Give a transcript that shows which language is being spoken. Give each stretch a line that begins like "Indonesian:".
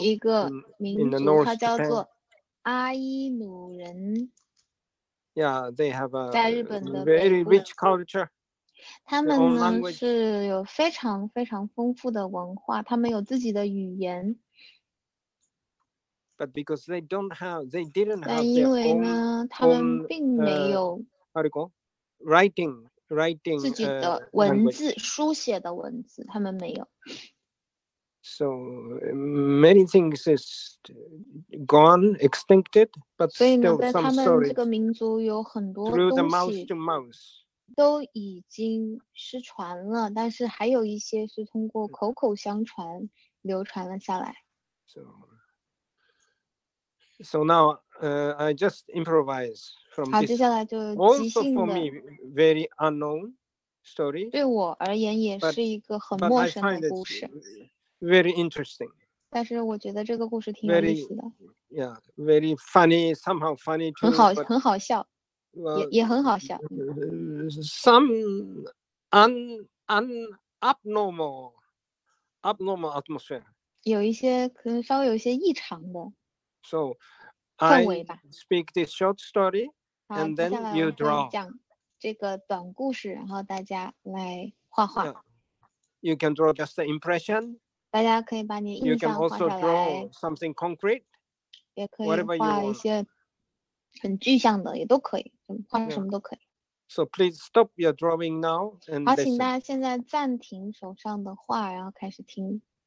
Chinese: 一个民族，它叫做阿伊努人。
English: Yeah, they have a
Chinese: 在日本的
English: very rich culture.
Chinese: 他们呢是有非常非常丰富的文化，他们有自己的语言。
English: But because they don't have, they didn't have.
Chinese: 但因为呢，他们并没有
English: writing
Chinese: 自己的文字，书写的文字，他们没有。
English: So many things is gone, extincted, but still some stories.
Chinese: 所以呢，在他们这个民族有很多东西
English: through the mouth to mouth
Chinese: 都已经失传了，但是还有一些是通过口口相传流传了下来。
English: So now, I just improvise from this.
Chinese: 好，接下来就即兴的。
English: Also for me, very unknown story.
Chinese: 对我而言也是一个很陌生的故事。
English: Very interesting.
Chinese: 但是我觉得这个故事挺有意思的。
English: Yeah, very funny. Somehow funny too.
Chinese: 很好笑。也很好笑。
English: Some abnormal atmosphere.
Chinese: 有一些可能稍微有一些异常的。
English: So, I speak this short story, and then you draw.
Chinese: 讲这个短故事，然后大家来画画。
English: You can draw just the impression.
Chinese: 大家可以把你印象画下来。
English: You can also draw something concrete.
Chinese: 也可以画一些很具象的，也都可以，画什么都可以。
English: So please stop your drawing now and listen.
Chinese: 好，请大家现在暂停手上的画，然后开始听。